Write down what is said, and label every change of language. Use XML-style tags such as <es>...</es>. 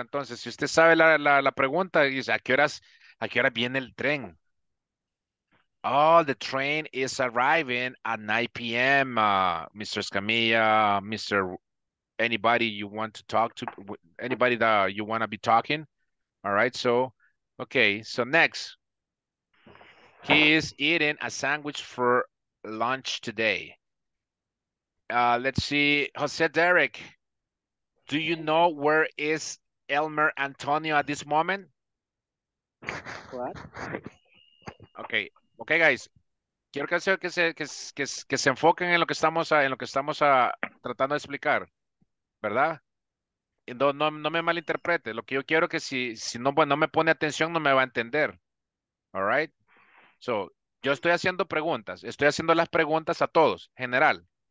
<es>Entonces, si usted sabe la pregunta, dice, ¿a qué hora viene el tren?</es> <en>Oh, the train is arriving at 9 p.m., Mr. Escamilla, Mr. Anybody you want to talk to, anybody that you want to be talking. All right. So, okay. So, next. He is eating a sandwich for lunch today. Let's see. Jose Derek, do you know where is Elmer Antonio at this moment? What? Okay. Okay, guys.</en> <es>Quiero que se enfoquen en lo que estamos tratando de explicar. ¿Verdad? No me malinterprete. Lo que yo quiero que si no me pone atención, no me va a entender.</es> <en>All right? So,</en> <es>yo estoy haciendo preguntas. Estoy haciendo las preguntas a todos, general.</es>